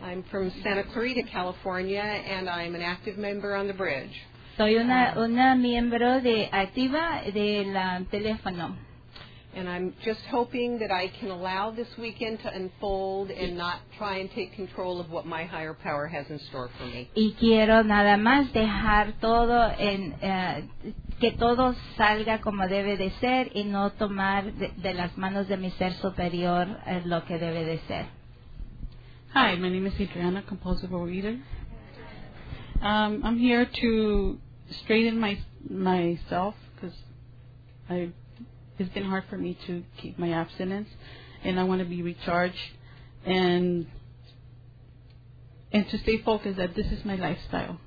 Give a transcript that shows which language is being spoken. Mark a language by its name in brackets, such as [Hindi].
[English] I'm from Santa Clarita, California, and I'm an active member on the bridge. [Spanish] Soy una miembro de activa del teléfono. [English] And I'm just hoping that I can allow this weekend to unfold and not try and take control of what my higher power has in store for me. [Spanish] Y quiero nada más dejar todo en que todo salga como debe de ser y no tomar de las manos de mi ser superior lo que debe de ser. [English] Hi, my name is Adriana, compulsive reader. I'm here to straighten myself because it's been hard for me to keep my abstinence, and I want to be recharged and to stay focused that this is my lifestyle.